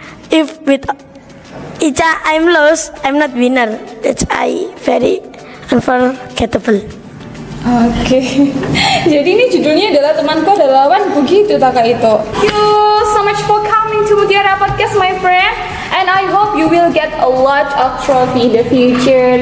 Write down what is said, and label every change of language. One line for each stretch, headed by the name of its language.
English: if with Ica I'm lost, I'm not winner. That's I very unforgettable. Oke, okay.
Indonesian: Jadi ini judulnya adalah temanku adalah lawan, begitu tak kak itu.
English: Thank you so much for coming to Mutiara Podcast, my friend. And I hope you will get a lot of trophy in the future.